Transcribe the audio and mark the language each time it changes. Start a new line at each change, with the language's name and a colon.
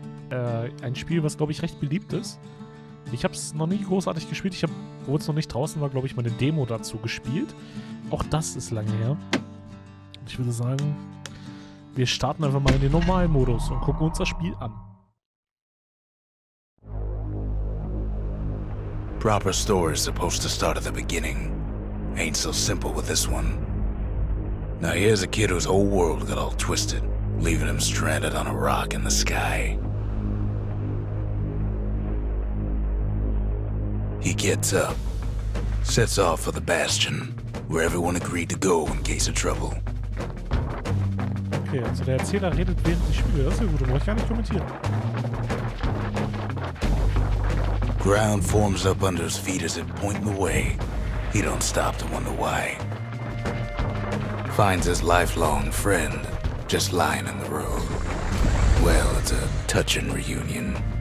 German: Ein Spiel, was, glaube ich, recht beliebt ist. Ich habe es noch nie großartig gespielt. Ich habe, wo es noch nicht draußen war, glaube ich, meine Demo dazu gespielt. Auch das ist lange her. Ich würde sagen, wir starten einfach mal in den Normalmodus und gucken uns das Spiel an.
English: Proper story is supposed to start at the beginning. Ain't so simple with this one. Now here's a kid whose whole world got all twisted, leaving him stranded on a rock in the sky. He gets up, sets off for the Bastion, where everyone agreed to go in case of trouble.
German: Okay, also der Erzähler redet während des Spiels. Das ist ja gut, aber ich kann nicht kommentieren.
English: Ground forms up under his feet as it points the way. He don't stop to wonder why. Finds his lifelong friend just lying in the road. Well, it's a touching reunion.